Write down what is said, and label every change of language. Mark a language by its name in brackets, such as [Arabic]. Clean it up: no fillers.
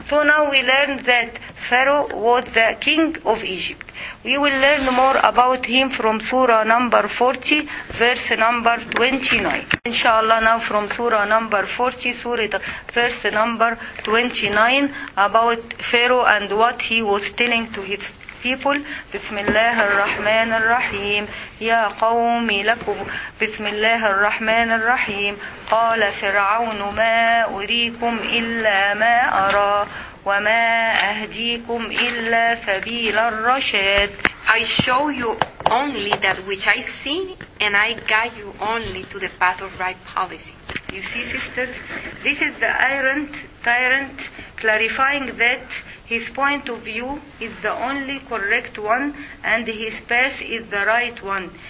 [English] So now we learn that Pharaoh was the king of Egypt. We will learn more about him from Surah number 40, verse number 29. Inshallah, now from Surah number 40, Surah verse number 29, about Pharaoh and what he was telling to his people. [Arabic] بسم الله الرحمن الرحيم يا قوم لكم بسم الله الرحمن الرحيم قال فرعون ما أريكم إلا ما أرى وما أهديكم إلا سبيل الرشاد. [English] I show you only that which I see, and I guide you only to the path of right policy. You see, sister, this is the tyrant clarifying that his point of view is the only correct one, and his path is the right one.